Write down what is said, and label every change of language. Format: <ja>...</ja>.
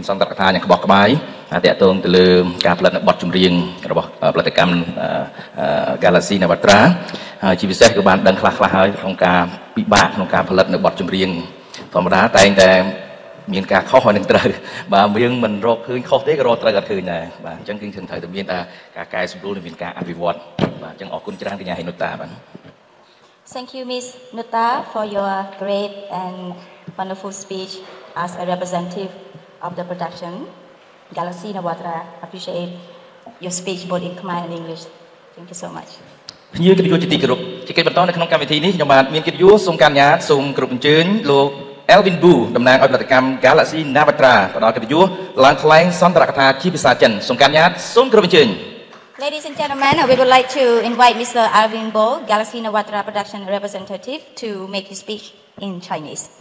<km>អតីតតងទៅលើការផលិតបទចម្រៀងរបស់ផលិតកម្ម Galaxy Navatra ហើយជាពិសេសក៏បានដឹងខ្លះៗហើយក្នុងការពិបាកក្នុងការផលិតនៅបទចម្រៀងធម្មតាតែងតែមានការខុសហើយនឹងត្រូវបាទយើងមិនរកឃើញខុសទេក៏រកត្រូវក៏ឃើញដែរបាទអញ្ចឹងគឺត្រូវតែមានថាការកែសម្រួលនឹងមានការអភិវឌ្ឍបាទអញ្ចឹងអរគុណច្រើនកញ្ញាហៃនុតាបាទ</km> <en>Thank you Miss Nuta for your great and wonderful speech as a representative of the production. Galaxy Navatra, appreciate your speech both in Khmer and English. Thank you so much.</en> <km>ភ្ញៀវកិត្តិយសជាទីគោរពជាកិត្តិបន្តនៅក្នុងកម្មវិធីនេះខ្ញុំបាទមានកិត្តិយសសូមកញ្ញាសូមគោរពអញ្ជើញលោក Elvin Bu តំណាងឲ្យផលិតកម្ម Galaxy Navatra ផ្ដល់កិត្តិយសឡើងថ្លែងសន្ទរកថាជាភាសាចិនសូមកញ្ញាសូមគោរពអញ្ជើញ</km> <en>Ladies and gentlemen, we would like to invite Mr. Elvin Bu, Galaxy Navatra production representative to make his speech in Chinese.</en>